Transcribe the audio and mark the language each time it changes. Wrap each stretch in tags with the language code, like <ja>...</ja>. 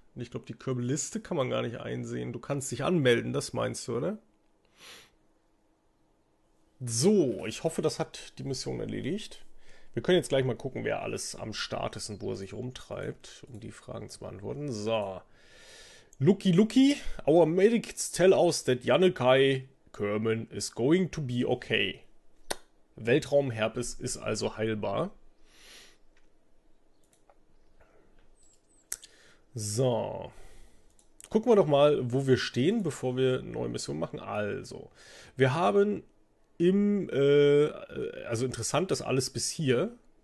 <de>Ich glaube, die Körbelliste kann man gar nicht einsehen. Du kannst dich anmelden, das meinst du, oder? So, ich hoffe, das hat die Mission erledigt. Wir können jetzt gleich mal gucken, wer alles am Start ist und wo er sich rumtreibt, um die Fragen zu beantworten. So.</de> <en>Looky, looky, our medics tell us that Janne Kai Kerman is going to be okay.</en> <de>Weltraumherpes ist also heilbar. So. Gucken wir doch mal, wo wir stehen, bevor wir eine neue Mission machen. Also, wir haben im, also interessant, das alles bis hier.</de>